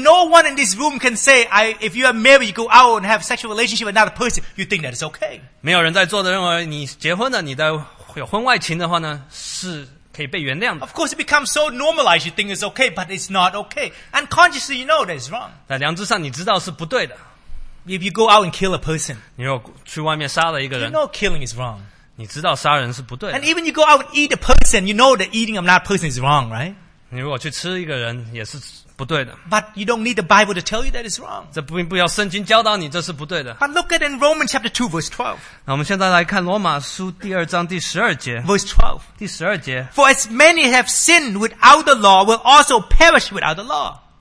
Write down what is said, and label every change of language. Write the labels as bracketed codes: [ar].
[en] No one in this room can say, if you are married, you go out and have a sexual relationship with another person, you think that is okay. [zh] 没有人在座的认为你结婚了，你在有婚外情的话呢，是可以被原谅的。 [en] Of course, it becomes so normalized, you think it's okay, but it's not okay. Unconsciously, you know that it's wrong. [zh] 在良知上，你知道是不对的。 [en] If you go out and kill a person, [zh] 你如果去外面杀了一个人, [en] you know killing is wrong. [zh] 你知道杀人是不对的。 [en] And even you go out and eat a person, you know that eating another person is wrong, right? [zh] 你如果去吃一个人也是不对的。 [en] But you don't need the Bible to tell you that it's wrong. [zh] 这并不要圣经教导你这是不对的。 [en] But look at in Romans chapter 2, verse 12. [zh] 那我们现在来看罗马书第二章第十二节。 [en] Verse 12. [zh] 第十二节。 [en] For as many have sinned without the law will also perish without the law.